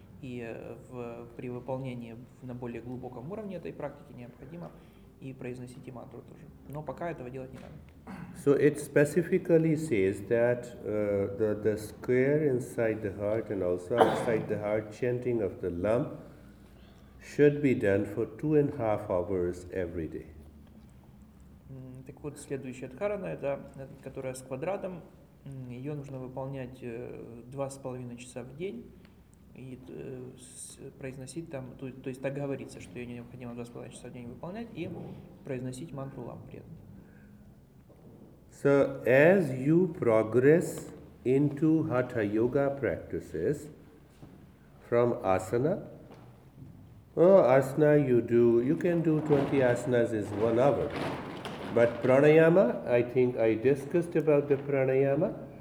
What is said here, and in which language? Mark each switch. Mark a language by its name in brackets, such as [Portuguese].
[Russian] И при выполнении на более глубоком уровне этой практики необходимо и произносить и мантру тоже. Но пока этого делать не надо. [English] So it specifically says that the square inside the heart and also outside the heart chanting of the lam should be done for 2.5 hours every day. [Russian] Так вот, следующая дхарана, это которая с квадратом, ее нужно выполнять 2.5 часа в день и произносить там, то есть договориться, что ее необходимо 2.5 часа в день выполнять и произносить мантру лам при этом. [English] So as you progress into hatha yoga practices from asana, asana you can do 20 asanas is 1 hour. But pranayama, I think I discussed about the pranayama.